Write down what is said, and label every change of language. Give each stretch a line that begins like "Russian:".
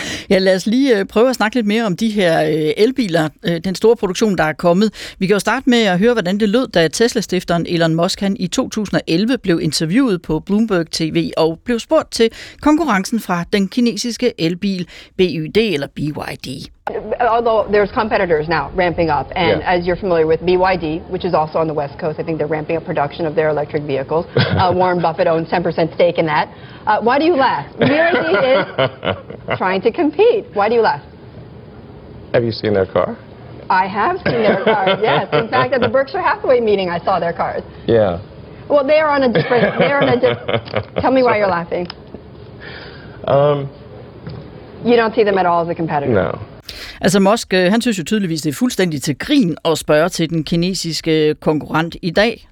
Danish: Ja, lad os lige prøve at snakke lidt mere om de her elbiler, den store produktion, der er kommet. Vi kan jo starte med at høre, hvordan det lød, da Tesla-stifteren Elon Musk, han i 2011 blev interviewet på Bloomberg TV og blev spurgt til konkurrencen fra den kinesiske elbil BYD eller BYD.
English: Although there's competitors now ramping up, and yeah. As you're familiar with BYD, which is also on the West Coast, I think they're ramping up production of their electric vehicles. Warren Buffett owns 10% stake in that. Why do you laugh? BYD is trying to compete. Why do you laugh? Have you seen their car? I have seen their cars, yes. In fact, at the Berkshire Hathaway meeting, I saw their cars. Yeah. Well, they are on a different... Tell me why you're laughing. You don't see them at all as a competitor? No.
Danish: Altså Musk, han synes jo tydeligvis, det er fuldstændig til grin at spørge til den kinesiske konkurrent i dag.